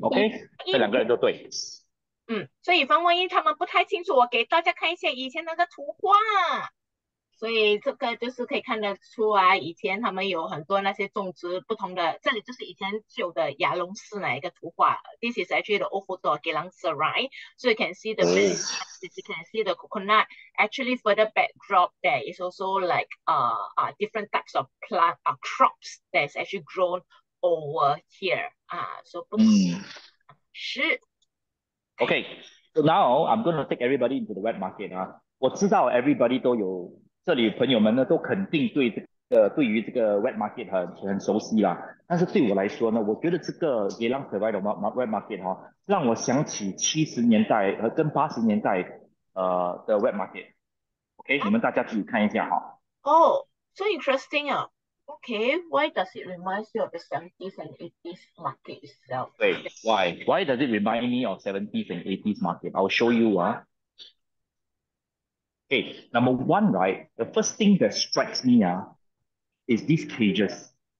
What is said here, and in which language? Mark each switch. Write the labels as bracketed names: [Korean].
[Chinese] OK，这两个人都对。所以防万一他们不太清楚，我给大家看一下以前那个图画。所以这个就是可以看得出啊，以前他们有很多那些种植不同的，这里就是以前旧的亚龙寺那一个图画。 [English] This is actually the old photo of Geylang Serai, so you can see the very nice, you can see the coconut. Actually, for the backdrop, there is also like different types of plant crops that's actually grown over here. [Chinese] So 不同是。 [English] Okay, so now I'm going to take everybody into the wet market 啊。 [Chinese] 我知道 everybody 都有，这里朋友们呢都肯定对于这个 wet market 很熟悉啦。但是对我来说呢，我觉得这个 Geylang Serai 的 wet market 哈，让我想起70年代和跟80年代的 wet market。 OK，你们大家自己看一下哈。 [English] Oh, so interesting. Okay, why does it remind you of the 70s and 80s market itself? 对，Why does it remind me of 70s and 80s market? I'll show you 啊。 Okay, number one, right? The first thing that strikes me is these cages.